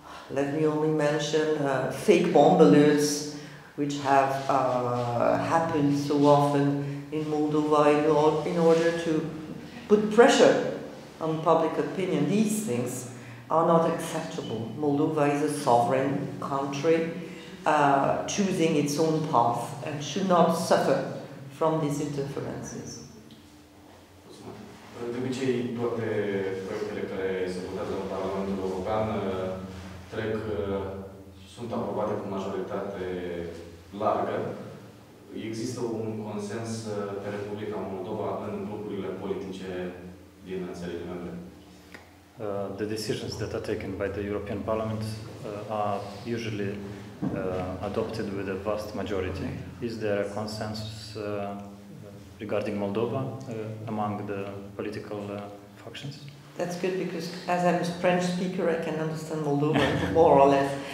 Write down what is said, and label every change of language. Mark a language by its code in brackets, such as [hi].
[en] Let me only mention fake bomb alerts, which have happened so often in Moldova in order to put pressure on public opinion. These things are not acceptable. Moldova is a sovereign country choosing its own path and should not suffer from these interferences. [ro] De obicei, toate proiectele care se votează în Parlamentul European trec, sunt aprobate cu majoritate largă. Există un consens pe Republica Moldova în grupurile politice din țările membre? [en] The decisions that are taken by the European Parliament are usually adopted with a vast majority. Is there a consensus regarding Moldova among the political factions? That's good, because as I'm a French speaker, I can understand Moldova more or less.